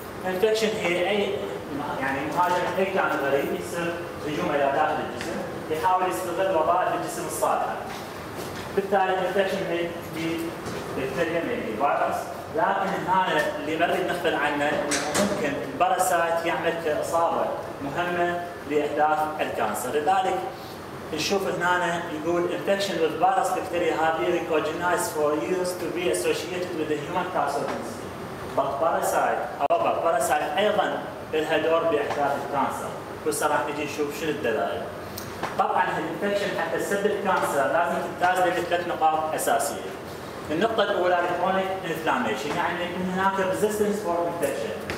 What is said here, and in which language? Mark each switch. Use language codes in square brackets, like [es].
[ar] Infection هي أي يعني مهاجم أي كان غريب يصير هجوم إلى داخل الجسم يحاول يستغل وباء الجسم الصالحة. بالتالي infection هي بكتيريا [en] maybe virus. [ar] لكن هنا اللي بدي نخبر عنه إنه ممكن باراسايت يعمل كإصابة مهمة لإحداث الكانسر. لذلك نشوف هنا يقول [en] infection with virus bacteria have been recognized for years to be associated with the human cancer disease. But parasite [ar] ايضا لها دور باحداث الكانسر. بس راح نجي نشوف شنو الدلائل. طبعا الانفكشن حتى تسبب الكانسر لازم تمتاز بين ثلاث نقاط اساسيه. النقطه الاولى كرونيك انفلاميشن يعني ان هناك ريزيستنس فور انفكشن.